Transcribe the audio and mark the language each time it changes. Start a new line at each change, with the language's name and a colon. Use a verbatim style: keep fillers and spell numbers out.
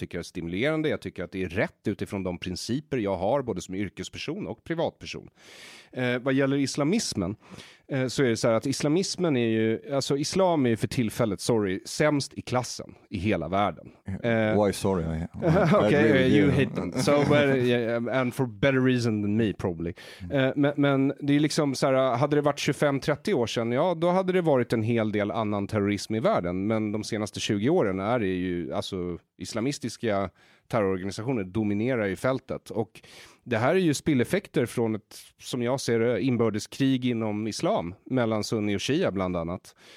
Swedish: Jag tycker det är stimulerande, jag tycker att det är rätt utifrån de principer jag har både som yrkesperson och privatperson. Eh, vad gäller islamismen eh, så är det så här att islamismen är ju, alltså islam är ju för tillfället, sorry, sämst i klassen i hela världen.
English: Eh, Why sorry? I, I okay, uh, you hate them. So, but, yeah, and for better reason than me probably.
Swedish: Eh, men, men det är liksom så här, hade det varit tjugofem trettio år sedan, ja då hade det varit en hel del annan terrorism i världen, men de senaste tjugo åren är det ju, alltså islamistiska terrororganisationer dominerar i fältet, och det här är ju spilleffekter från ett, som jag ser det, inbördeskrig inom islam mellan sunni och shia bland annat.